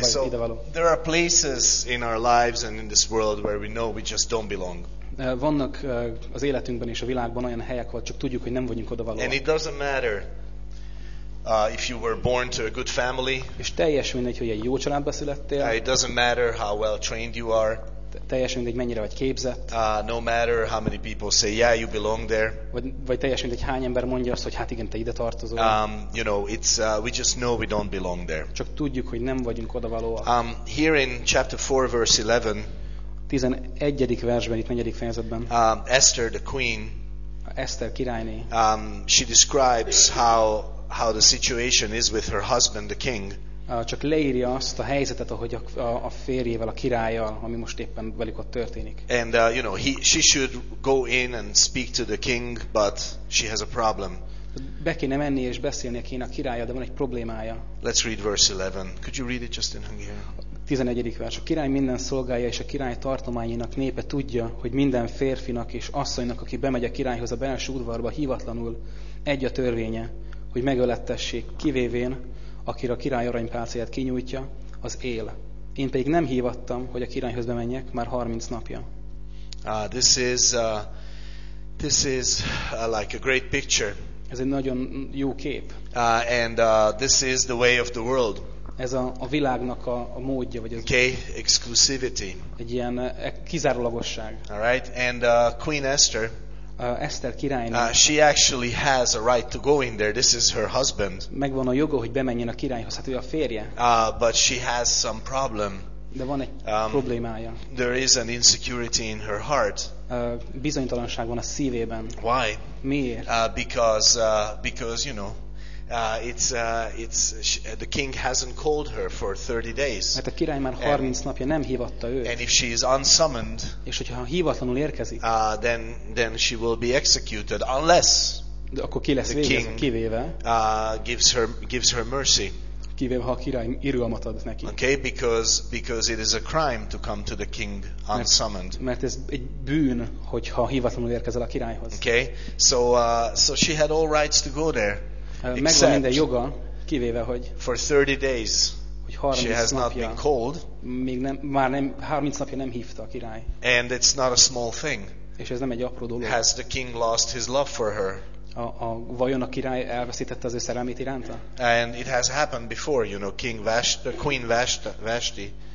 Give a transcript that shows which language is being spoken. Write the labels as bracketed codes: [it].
[en] So there are places in our lives and in this world where we know we just don't belong. [hu] Vannak az életünkben és a világban olyan helyek, ahol csak tudjuk, hogy nem vagyunk odavalóak. [en] And it doesn't matter if you were born to a good family. [hu] És teljes mindegy, hogy egy jó családba születtél. [en] It doesn't matter how well trained you are. [hu] Teljesen mindegy, mennyire vagy képzett. [en] No matter how many people say, yeah, you belong there. [hu] Vagy teljesen mindegy, hány ember mondja azt, hogy hát igen, te ide tartozol. [en] You know, it's we just know we don't belong there. [hu] Csak tudjuk, hogy nem vagyunk odavalóak. [en] Here in chapter 4, verse 11. [hu] 11. versben, itt 4. fejezetben. [en] Esther, the queen. [hu] Esther királyné. [en] She describes how the situation is with her husband, the king. [hu] Csak leírja azt a helyzetet, ahogy a férjével, a királlyal, ami most éppen velük ott történik. [en] And you know, she should go in and speak to the king, but she has a problem. [hu] Be kéne menni és beszélni a kéne a királlyal, de van egy problémája. [en] Let's read verse 11. Could you read it just in Hungarian? [hu] 11. vers. A király minden szolgája és a király tartományának népe tudja, hogy minden férfinak és asszonynak, aki bemegy a királyhoz a belső udvarba, hivatlanul egy a törvénye, hogy megölettessék, kivévén, akire a király aranypálcáját kinyújtja, az él. Én pedig nem hívattam, hogy a királyhoz bemenjek már 30 napja. [en] This is like a great picture. [hu] Ez egy nagyon jó kép. [en] This is the way of the world. [hu] Ez a világnak a módja, vagy az [en] okay, exclusivity. [hu] Egy ilyen kizárólagosság. [en] All right, and Queen Esther. [hu] Esther királyné. [en] She actually has a right to go in there. This is her husband. [hu] Megvan a joga, hogy bemenjen a királyhoz, hát ő a férje. [en] But she has some problem. [hu] De van egy problémája. [en] There is an insecurity in her heart. [hu] Bizonytalanság van a szívében. [en] Why? [hu] Miért? [en] Because you know. The king hasn't called her for 30 days. [hu] Mert a király már 30 napja nem hívatta őt. [en] And if she is unsummoned, [hu] és hogyha hivatlanul érkezik, [en] then she will be executed unless [hu] akkor ki lesz végezve, kivéve, [en] gives her mercy. [hu] Kivéve, ha a király irgalmat ad neki. [en] Okay, because it is a crime to come to the king unsummoned. [hu] Mert ez egy bűn, hogyha hivatlanul érkezel a királyhoz. [en] Okay, so she had all rights to go there. [hu] Megvan minden joga, kivéve, hogy [en] for 30 days, [hu] hogy 30 [en] she has [hu] napja, [en] not been called, [hu] még nem, már nem, 30 napja nem hívta a király. [en] And it's not a small thing. [hu] És ez nem egy apró dolog. [en] Has the king lost his love for her? [hu] Vajon a király elveszítette az ő szerelmét iránta? [en] And it has happened before, you know, Queen Vashti.